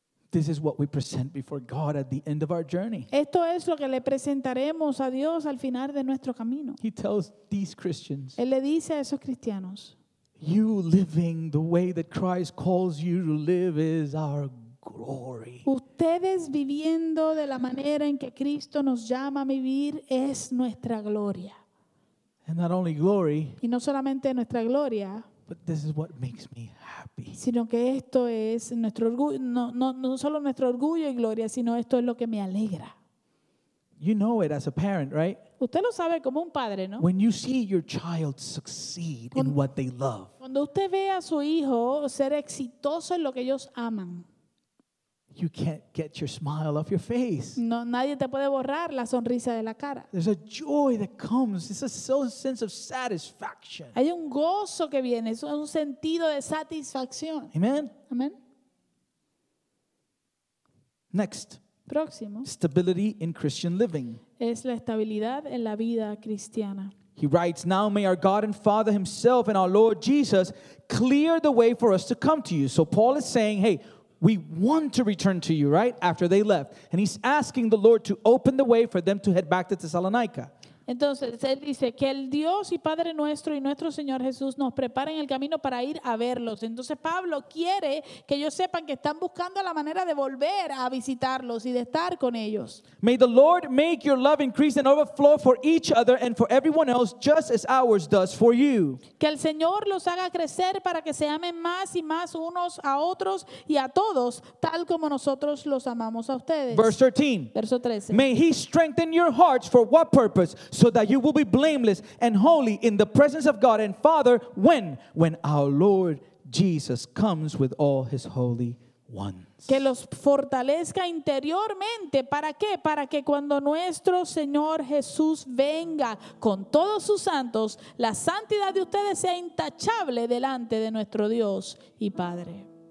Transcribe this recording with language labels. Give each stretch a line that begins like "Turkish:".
English: This is what we present before God at the end of our journey.
Spanish: Esto es lo que le presentaremos a Dios al final de nuestro camino.
English: He tells these Christians.
Spanish: Él le dice a esos cristianos.
English: You living the way that Christ calls you to live is our glory.
Spanish: Ustedes viviendo de la manera en que Cristo nos llama a vivir es nuestra gloria.
English: And not only glory.
Spanish: Y no solamente nuestra gloria.
English: But this is what makes me happy.
Spanish: Sino que esto es nuestro orgullo, no solo nuestro orgullo y gloria, sino esto es lo que me alegra.
English: You know it as a parent, right?
Spanish: Usted lo sabe como un padre, ¿no?
English: When you see your child succeed in what they love.
Spanish: Cuando usted ve a su hijo ser exitoso en lo que ellos aman.
English: You can't get your smile off your face.
Spanish: No, nadie te puede borrar la sonrisa de la cara.
English: There's a joy that comes. It's a sense of satisfaction.
Spanish: Hay un gozo que viene. Es un sentido de satisfacción.
English: Amen.
Spanish: Amen.
English: Next.
Spanish: Próximo.
English: Stability in Christian living.
Spanish: Es la estabilidad en la vida cristiana.
English: He writes, "Now may our God and Father Himself and our Lord Jesus clear the way for us to come to you." So Paul is saying, "Hey, we want to return to you," right? After they left. And he's asking the Lord to open the way for them to head back to Thessalonica.
Spanish: Entonces, él dice que el Dios y Padre nuestro y nuestro Señor Jesús nos preparen el camino para ir a verlos. Entonces, Pablo quiere que ellos sepan que están buscando la manera de volver a visitarlos y de estar con ellos.
English: May the Lord make your love increase and overflow for each other and for everyone else just as ours does for you.
Spanish: Que el Señor los haga crecer para que se amen más y más unos a otros y a todos, tal como nosotros los amamos a ustedes.
English: Verse 13.
Spanish: Verso 13.
English: May He strengthen your hearts for what purpose? So that you will be blameless and holy in the presence of God and Father when our Lord Jesus comes with all His holy ones.
Spanish: Que los fortalezca interiormente. ¿Para qué? Para que cuando nuestro Señor Jesús venga con todos sus santos, la santidad de ustedes sea intachable delante de nuestro Dios y Padre.